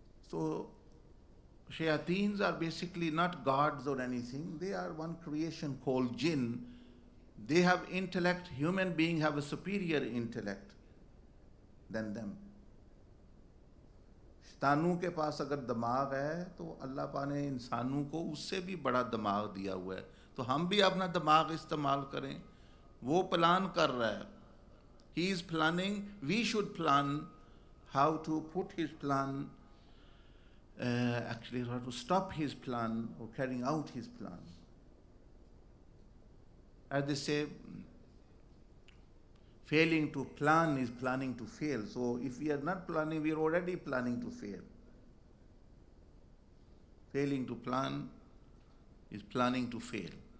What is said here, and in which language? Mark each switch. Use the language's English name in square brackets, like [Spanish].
[English] So shayateens are basically not gods or anything. They are one creation called jinn. They have intellect. Human beings have a superior intellect than them. [Urdu] تانو کے پاس اگر دماغ ہے تو اللہ پاک نے انسانوں کو اس سے بھی بڑا دماغ دیا ہوا ہے, تو ہم بھی اپنا دماغ استعمال کریں. وہ پلان کر رہا ہے, [English] He is planning, we should plan how to put his plan, actually how to stop his plan اور carrying out his plan. At the same failing to plan is planning to fail. So if we are not planning, we are already planning to fail. Failing to plan is planning to fail.